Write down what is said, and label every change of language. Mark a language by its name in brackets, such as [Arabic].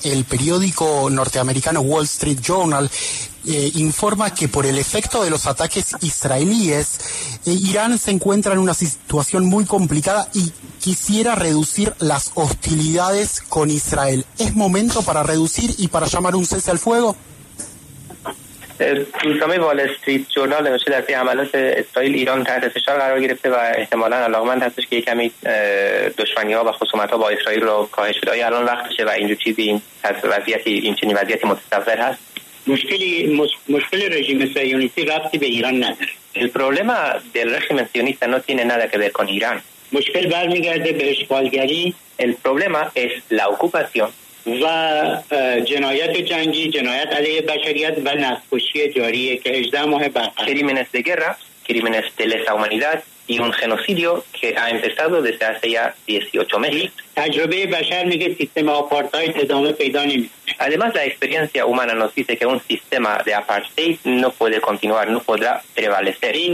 [Spanish] El periódico norteamericano Wall Street Journal informa que por el efecto de los ataques israelíes, Irán se encuentra en una situación muy complicada y quisiera reducir las hostilidades con Israel. ¿Es momento para reducir y para llamar un cese al fuego? [Persian] روزنامه وال استریت جورنال نوشته در پی عملات اسرائیل ایران تحت فشار قرار گرفته و احتمالاً علاقمند هستش که یکمی دشمنی‌ها و خصومت‌ها با اسرائیل رو کاهش بده. الان وقتشه و اینجور چیزی این وضعیتی متصور هست. مشکلی رژیم صهیونیستی ربطی به ایران نداره. [Spanish] El problema del régimen sionista no tiene nada que ver con Irán. [Persian] مشکل برمیگرده به اشغالگری. [Spanish] El problema es la ocupación. [Persian] و جنایت جنگی، جنایت علیه بشریت و نسل‌کشی جاریه که 18 ماه بعد. [Spanish] Crímenes de guerra, crímenes de lesa humanidad y un genocidio que ha empezado desde hace ya 18 meses. [Persian] تجربه بشر میگه سیستم آپارتاید ادامه پیدا نمی‌کنه. [Spanish] Además, la experiencia humana nos dice que un sistema de apartheid no puede continuar, no podrá prevalecer.